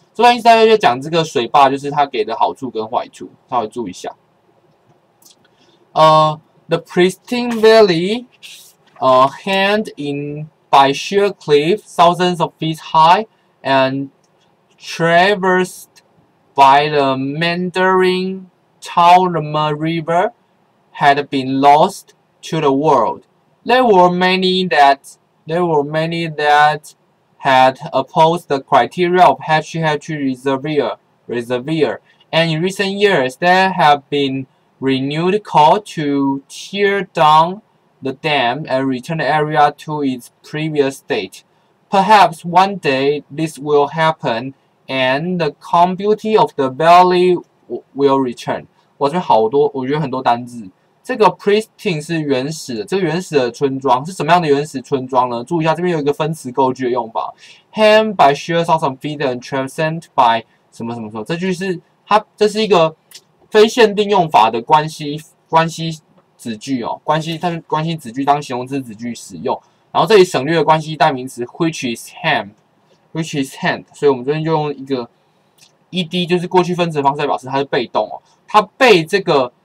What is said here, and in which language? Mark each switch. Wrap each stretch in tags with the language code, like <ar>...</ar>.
<zh>这段意思大概就讲这个水坝，就是它给的好处跟坏处，稍微注意一下。</zh> <en>The pristine valley, hemmed in by sheer cliffs thousands of feet high, and traversed by the meandering Taolima River, had been lost to the world. There were many that had opposed the criteria of HHH reservoir, and in recent years there have been renewed call to tear down the dam and return the area to its previous state. Perhaps one day this will happen, and the calm beauty of the valley will return.</en> <zh>哇，这边好多，我觉得很多单字。这个 pristine 是原始的，这个原始的村庄是什么样的原始村庄呢？注意一下，这边有一个分词构句的用法 ，</zh> <en>hem by sheer thousand feet and transcend by</en> <zh>什么什么什么，这句是它，这是一个非限定用法的关系子句哦，关系子句当形容词子句使用，然后这里省略了关系代名词</zh> <en>which is hem，</en> <zh>所以我们这边就用一个 ed 就是过去分词的方式来表示它是被动哦，它被这个。</zh>